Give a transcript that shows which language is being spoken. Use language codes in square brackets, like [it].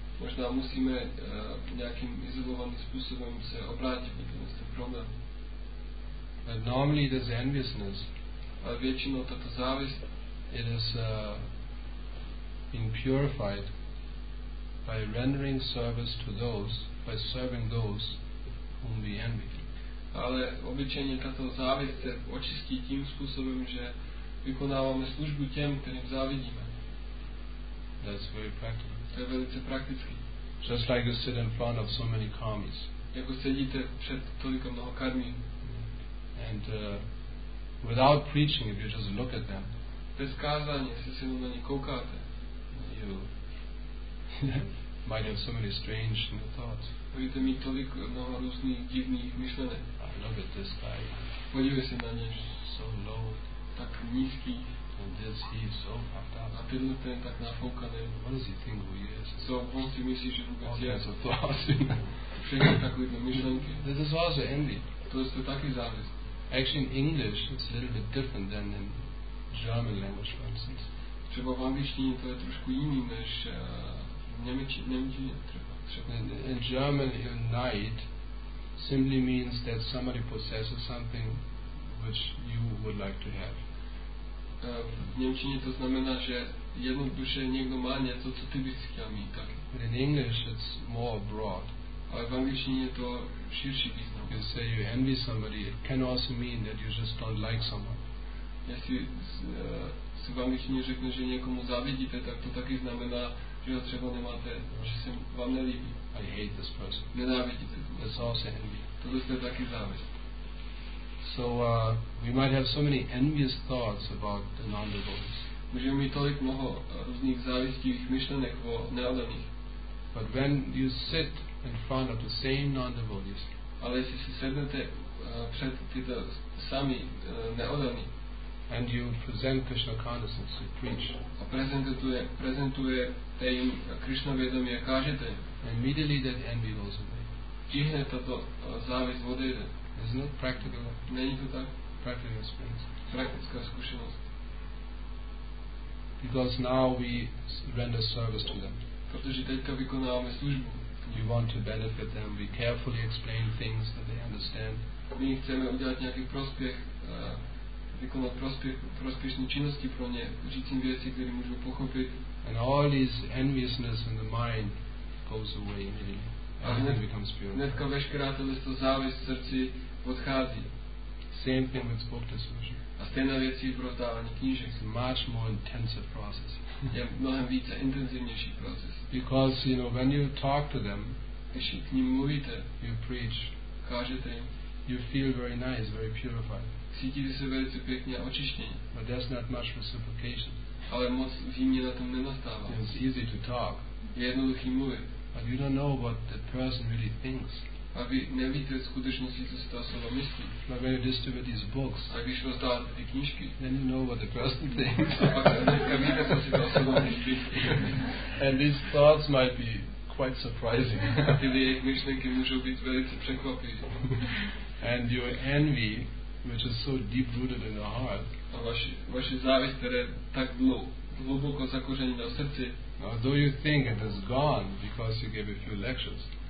[cs] Možná musíme nějakým izolovaným způsobem se obrátit na ten problém. [en] But normally this enviousness, [cs] ale většinou tato závist, [en] it has been purified by rendering service to those, by serving those whom we envy. [cs] Ale obyčejně tato závist se očistí tím způsobem, že vykonáváme službu těm, kterým závidíme. [en] That's very practical. [cs] To je velice praktický. [en] Just like you sit in front of so many karmis. [cs] Jako sedíte před toliko mnoho karmí. [en] And without preaching, if you just look at them. [cs] Bez kázání, jestli se na ně koukáte. [en] You might have so many strange thoughts. [cs] Můžete mít tolik mnoho různých divných myšlenek. [en] I look at this guy. [cs] Podívej se na ně. [en] So low. [cs] Tak nízký. [en] And this he is so puffed up. [cs] A tyhle ten tak nafoukaný. [en] What does he think who he is? [cs] So, on si myslí, že vůbec [en] all [cs] je. [en] All kinds of thoughts. [cs] Všechny takovýhle myšlenky. [en] This is also envy. [cs] To je to taky závist. [en] Actually, in English, it's a little bit different than in German language, for instance. [cs] Třeba v angličtině to je trošku jiný, než Němčině třeba. [en] In German, unite simply means that somebody possesses something which you would like to have. [cs] V němčině to znamená, že jednoduše někdo má něco, co ty bys chtěl mít. Tak. [en] But in English it's more broad. [cs] Ale v angličtině je to širší význam. [en] You say you envy somebody, it can also mean that you just don't like someone. [cs] Jestli si v angličtině řekne, že někomu závidíte, tak to taky znamená, že ho třeba nemáte, že se vám nelíbí. [en] I hate this person. [cs] Nenávidíte. [en] That's also envy. [cs] To je taky závist. [en] So we might have so many envious thoughts about the non-devotees. [cs] Můžeme mít tolik mnoho různých závistivých myšlenek o neodaných. [en] But when you sit in front of the same non-devotees, [cs] ale jestli si sednete před tyto sami neodaní, [en] and you present Krishna consciousness, you preach, [cs] a prezentuje te jim Krishna vědomí a kážete, [en] immediately that envy goes away. [cs] Tihne tato závist odejde. [en] Isn't it practical? [cs] Není to tak? [en] Practical experience. [cs] Praktická zkušenost. [en] because now we render service to them. [cs] Protože teďka vykonáváme službu. [en] We want to benefit them. We carefully explain things that they understand. [cs] My chceme udělat nějaký prospěch, vykonat prospěšné činnosti pro ně, říct jim věci, které můžou pochopit. [en] And all this enviousness in the mind goes away immediately. Everything becomes pure. [cs] Hnedka veškerá tato závist v srdci odchází. [en] Same thing with book discussion. [cs] A stejná věc je v rozdávání knížek. [en] It's a much more intensive process. [cs] Je mnohem více intenzivnější proces. [en] Because, you know, when you talk to them, [cs] když k ním mluvíte, [en] you preach, [cs] kážete jim, [en] you feel very nice, very purified. [cs] Cítíte se velice pěkně a očištěně. [en] But there's not much reciprocation. [cs] Ale moc výměny na tom nenastává. [en] It's easy to talk. [cs] Je jednoduchý mluvit. [en] But you don't know what the person really thinks. [cs] A vy nevíte skutečnosti, co si ta osoba myslí. [en] But when you distribute these books, [cs] a když rozdáváte ty knížky, [en] then you know what the person thinks. [cs] A pak nevíte, co si ta osoba myslí. [en] And these thoughts might be quite surprising. [cs] A ty jejich myšlenky můžou být velice překvapivé. [en] And your envy, which is so deep rooted in your heart, [cs] a vaši závist, která tak hluboko zakořeněná v srdci, [en] although you think it is gone because you gave a few lectures,